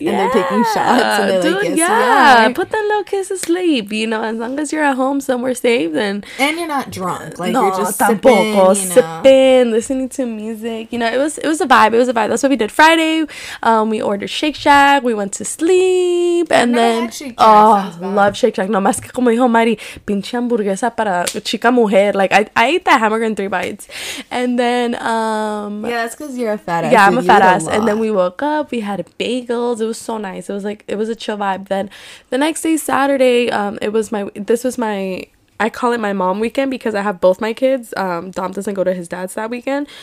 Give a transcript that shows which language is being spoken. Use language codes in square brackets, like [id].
[en] Yeah. And they're taking shots. And they're Yeah, put them little kids to sleep. You know, as long as you're at home somewhere safe, then... And you're not drunk. Like, no, you're just sipping, you know. Sipping, listening to music. You know, it was a vibe. It was a vibe. That's what we did Friday. We ordered Shake Shack. We went to sleep. And then... love Shake Shack. [es] No, más que como dijo Mari, pinche hamburguesa para chica mujer. [en] Like, I ate that hamburger in 3 bites. And then... yeah, that's because you're a fat ass. Yeah, I'm a fat ass. And then we woke up. We had bagels. It was so nice. It was like... It was a chill vibe. Then the next day, Saturday, This was my... I call it my mom weekend because I have both my kids. Dom doesn't go to his dad's that weekend.